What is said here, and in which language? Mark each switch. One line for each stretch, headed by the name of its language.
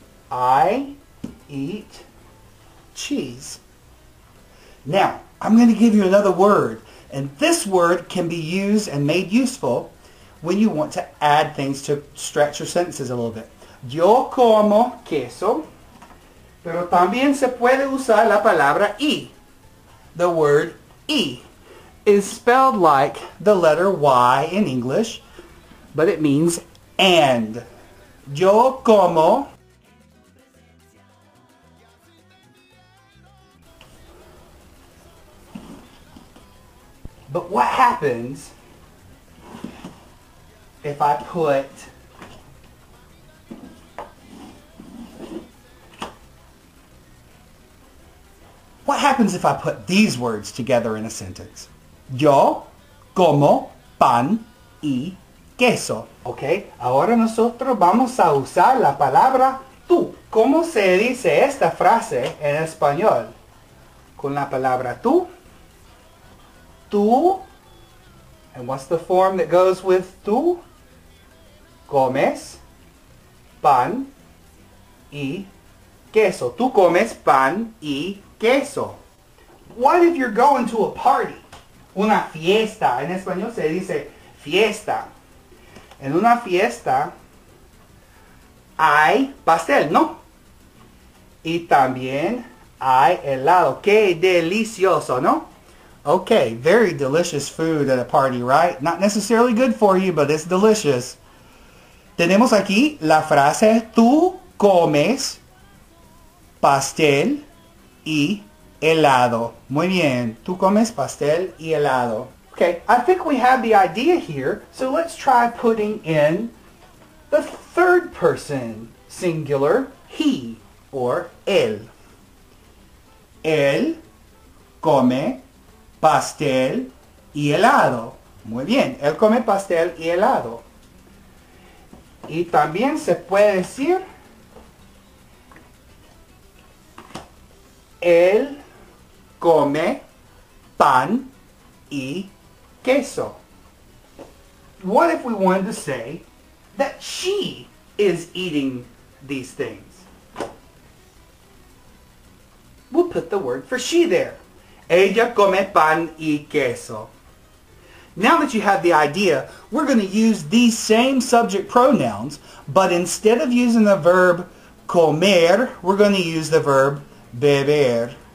English: I eat cheese. Now, I'm going to give you another word. And this word can be used and made useful when you want to add things to stretch your sentences a little bit.
Spanish: Yo como queso. Pero también se puede usar la palabra E.
English: The word E is spelled like the letter Y in English, but it means and.
Spanish: Yo como.
English: But what happens if I put these words together in a sentence?
Spanish: Yo como pan y queso. Okay, ahora nosotros vamos a usar la palabra tú. ¿Cómo se dice esta frase en español? Con la palabra tú. Tú.
English: And what's the form that goes with tú?
Spanish: Comes pan y queso. Tú comes pan y queso.
English: What if you're going to a party?
Spanish: Una fiesta. En español se dice fiesta. En una fiesta hay pastel, ¿no? Y también hay helado. ¡Qué delicioso, ¿no?
English: Okay, very delicious food at a party, right? Not necessarily good for you, but it's delicious.
Spanish: Tenemos aquí la frase, tú comes pastel y helado. Muy bien, tú comes pastel y helado.
English: Okay, I think we have the idea here, so let's try putting in the third person singular, he or él.
Spanish: Él come pastel y helado. Muy bien, él come pastel y helado. Y también se puede decir, él come pan y queso.
English: What if we wanted to say that she is eating these things? We'll put the word for she there.
Spanish: Ella come pan y queso.
English: Now that you have the idea, we're going to use these same subject pronouns, but instead of using the verb comer, we're going to use the verb beber.